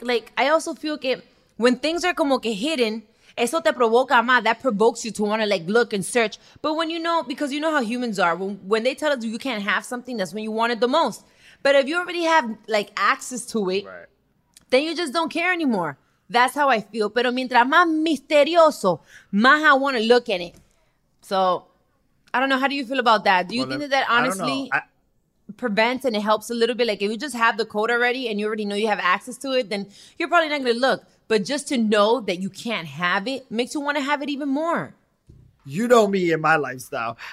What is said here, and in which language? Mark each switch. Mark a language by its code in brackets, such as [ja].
[en] Like, I also feel que when things are como que hidden, eso te provoca más. That provokes you to want to like look and search. But when you know, because you know how humans are, when they tell us you can't have something, that's when you want it the most. But if you already have like access to it, right. then you just don't care anymore. That's how I feel. [es] Pero mientras más misterioso, más I want to look at it. [en] So, I don't know. How do you feel about that? Do you think that honestly prevents and it helps a little bit? Like if you just have the code already and you already know you have access to it, then you're probably not going to look. But just to know that you can't have it makes you want to have it even more. You know me and my lifestyle.